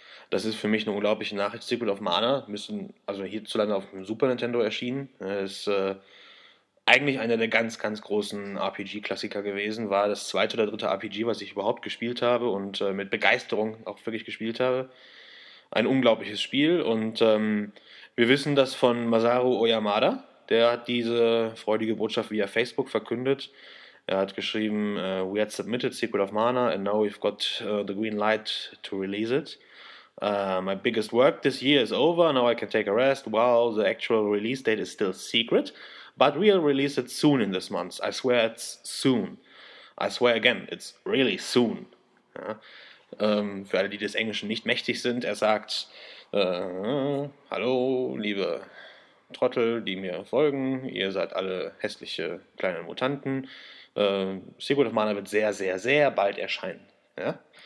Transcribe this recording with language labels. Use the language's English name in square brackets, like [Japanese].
[German] Das ist für mich eine unglaubliche Nachricht. Secret of Mana, also hierzulande auf dem Super Nintendo erschienen, ist eigentlich einer der ganz, ganz großen RPG-Klassiker gewesen, war das zweite oder dritte RPG, was ich überhaupt gespielt habe und mit Begeisterung auch wirklich gespielt habe. Ein unglaubliches Spiel und wir wissen das von Masaru Oyamada, der hat diese freudige Botschaft via Facebook verkündet. Er hat geschrieben, [English] we had submitted Secret of Mana and now we've got the green light to release it. My biggest work this year is over, now I can take a rest. Wow, the actual release date is still secret, but we'll release it soon in this month. I swear it's soon. I swear again, it's really soon. [German] Ja. Für alle, die des Englischen nicht mächtig sind, er sagt, hallo, liebe Trottel, die mir folgen, ihr seid alle hässliche kleine Mutanten. Secret of Mana wird sehr, sehr, sehr bald erscheinen. Ja.